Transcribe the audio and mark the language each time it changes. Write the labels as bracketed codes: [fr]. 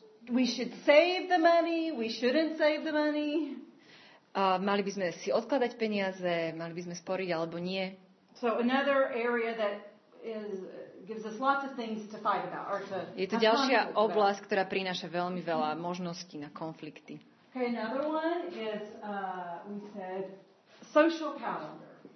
[en] We should save the money, we shouldn't save the money. [sk] Mali by sme si odkladať peniaze, mali by sme sporiť alebo nie. [en] So another area that is gives us lots of things to fight about or to. [sk] Je to ďalšia oblasť, ktorá prináša veľmi veľa možností na konflikty. [en] Okay, another one is we said social calendar.